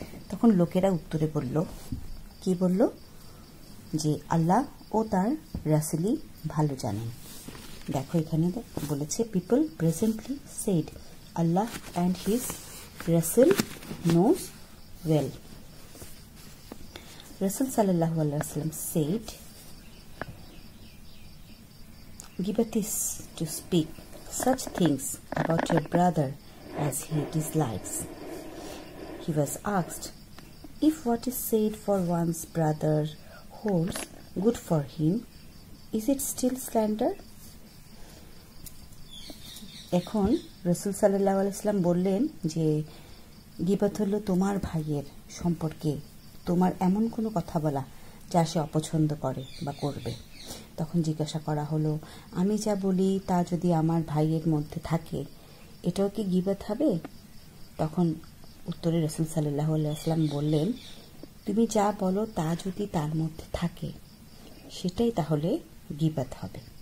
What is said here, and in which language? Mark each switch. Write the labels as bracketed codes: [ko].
[bn] তখন লোকেরা উত্তরে বলল কি বলল যে আল্লাহ ও তার রাসূলই ভালো জানেন দেখো এখানে বলেছে [en] People presently said আল্লাহ and his রাসূল knows well রাসূল সাল্লাল্লাহু আলাইহি ওয়াসাল্লাম সেড গিবত is to speak such things about your brother as he dislikes. He was asked, if what is said for one's brother holds good for him, is it still slander? [bn] এখন রাসূল সাল্লাল্লাহু আলাইহি ওয়াসাল্লাম বললেন যে গীবত হলো তোমার ভাইয়ের সম্পর্কে তোমার এমন কোনো কথা বলা যা সে অপছন্দ করে বা করবে তখন জিজ্ঞাসা করা হলো আমি যা বলি তা যদি আমার ভাইয়ের মধ্যে থাকে এটাও কি গীবত হবে তখন উত্তরে রাসূল সাল্লাল্লাহু আলাইহি ওয়াসাল্লাম বললেন তুমি যা বলো তা যদি তার মধ্যে থাকে সেটাই তাহলে গীবত হবে